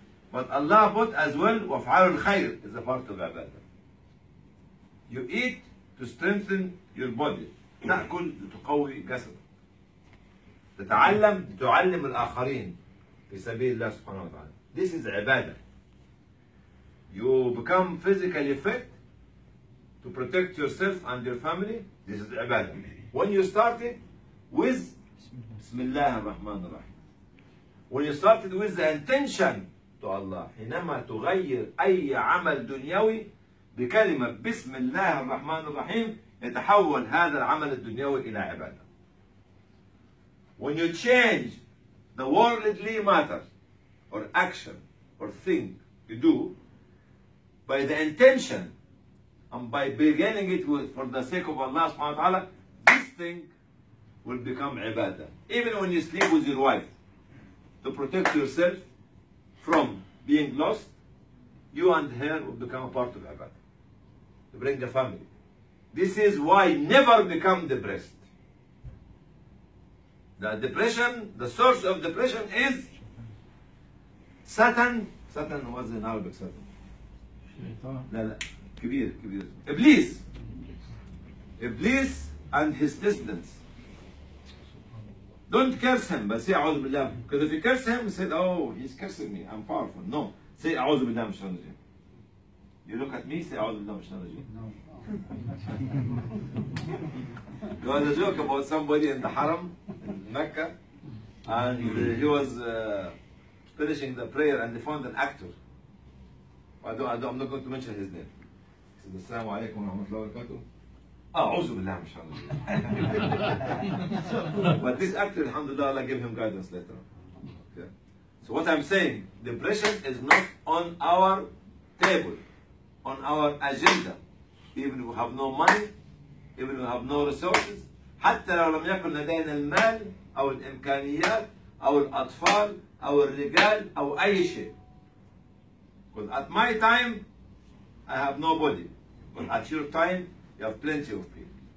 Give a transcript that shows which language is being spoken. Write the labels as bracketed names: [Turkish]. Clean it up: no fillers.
[English] But Allah put as well, [Arabic] وَفْعَلُ الْخَيْرِ [English] is a part of ibadah. You eat to strengthen your body. [Arabic] تأكل لتقوي جسدك. تتعلم لتعلم الآخرين في سبيل الله سبحانه وتعالى. [English] This is ibadah. You become physically fit to protect yourself and your family. This is ibadah. When you started with [Arabic] بسم الله الرحمن الرحيم. [English] When you started with the intention to Allah, حينما تغير أي عمل دنيوي بكلمة بسم الله الرحمن الرحيم يتحول هذا العمل الدنيوي إلى عبادة. When you change the worldly matter or action or thing you do by the intention and by beginning it with, for the sake of Allah سبحانه وتعالى, this thing will become ibadah. Even when you sleep with your wife to protect yourself from being lost, you and her will become a part of ibadah. To bring the family. This is why never become depressed. The depression, the source of depression is Satan. Satan was in Arabic, Satan. Kibir. Iblis. Iblis and his descendants. Don't curse him, but say أعوذ بالله. Because if you curse him, he said, oh, he's cursing me. I'm powerful. No. Say [Arabic] أعوذ بالله من الشيطان الرجيم. [English] You look at me, say أعوذ بالله من الشيطان الرجيم. No. There was a joke about somebody in the haram, in Mecca. And he was finishing the prayer and they found an actor. I'm not going to mention his name. He said, Assalamu alaikum wa rahmatullahi wa barakatuh. [Arabic] أعوذ بالله من الشيطان الرجيم. [English] But this actor, alhamdulillah, Allah gave him guidance later on. Okay. So what I'm saying, depression is not on our table, on our agenda. Even if we have no money, even if we have no resources, [Arabic] حتى لو لم يكن لدينا المال أو الإمكانيات أو الأطفال أو الرجال أو أي شيء. [English] Because at my time, I have nobody. But at your time, you have plenty of people.